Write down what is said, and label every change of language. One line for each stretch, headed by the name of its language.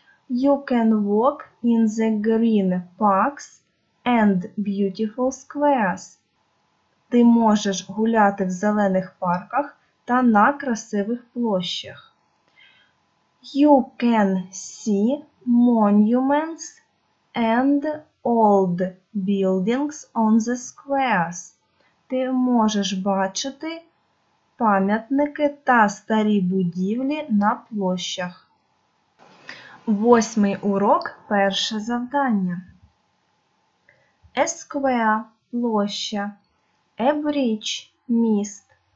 English: You can walk in the green parks and beautiful squares.
Ukrainian: Ти можеш гуляти в зелених парках та на красивих площах.
English: You can see monuments and old buildings on the squares.
Ukrainian: Ти можеш бачити пам'ятники та старі будівлі на площах. Восьмий урок, перше завдання.
English: A square – площа. A bridge – міст.